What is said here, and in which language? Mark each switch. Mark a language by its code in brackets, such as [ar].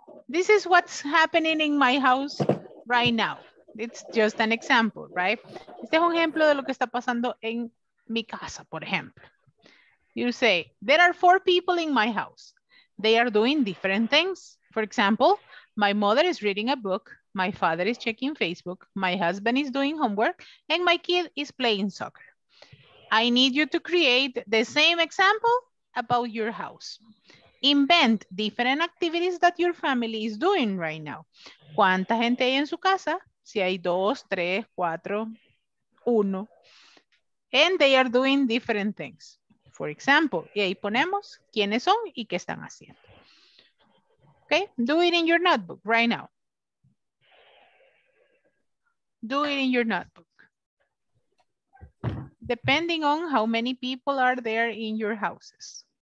[en] This is what's happening in my house right now. It's just an example, right? [es] Este es un ejemplo de lo que está pasando en mi casa, por ejemplo. [en] You say, there are 4 people in my house. They are doing different things. For example, my mother is reading a book, my father is checking Facebook, my husband is doing homework, and my kid is playing soccer. I need you to create the same example about your house. Invent different activities that your family is doing right now. [es] ¿Cuánta gente hay en su casa? Si hay 2, 3, 4, 1. [en] And they are doing different things. For example, [es] y ahí ponemos quiénes son y qué están haciendo. [en] Okay, do it in your notebook right now. Do it in your notebook. Depending on how many people are there in your houses.